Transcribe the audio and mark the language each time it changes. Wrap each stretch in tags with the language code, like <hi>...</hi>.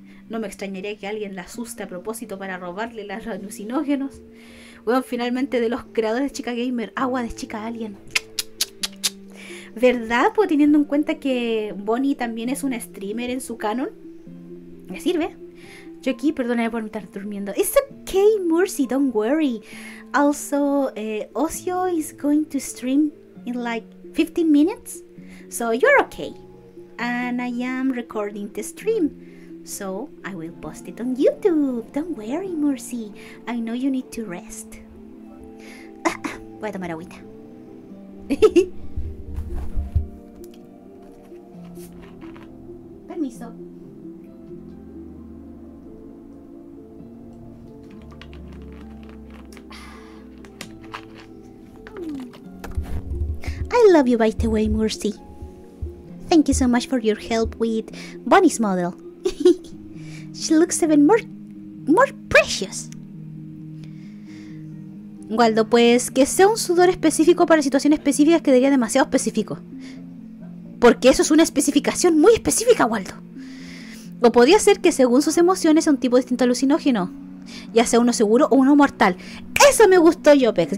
<es>No me extrañaría que alguien la asuste a propósito para robarle los alucinógenos. Bueno, finalmente, de los creadores de Chica Gamer, agua de Chica Alien. ¿Verdad? Pues teniendo en cuenta que Bonnie también es una streamer en su canon. ¿Me sirve? Yo aquí, perdóname por estar durmiendo.</es> <en>It's okay, Mercy, don't worry. Also, Ocio is going to stream in like 15 minutes. So you're okay. And I am recording the stream. So I will post it on YouTube. Don't worry, Mercy. I know you need to rest.</en> <es>Voy a tomar agüita. Permiso. Mm.</es> <en>I love you, by the way, Mercy. Thank you so much for your help with Bonnie's model. She looks even more precious.</en> <es>Waldo, pues que sea un sudor específico para situaciones específicas quedaría demasiado específico. Porque eso es una especificación muy específica, Waldo. O podría ser que según sus emociones sea un tipo distinto de alucinógeno. Ya sea uno seguro o uno mortal. Eso me gustó, Jopex.</es>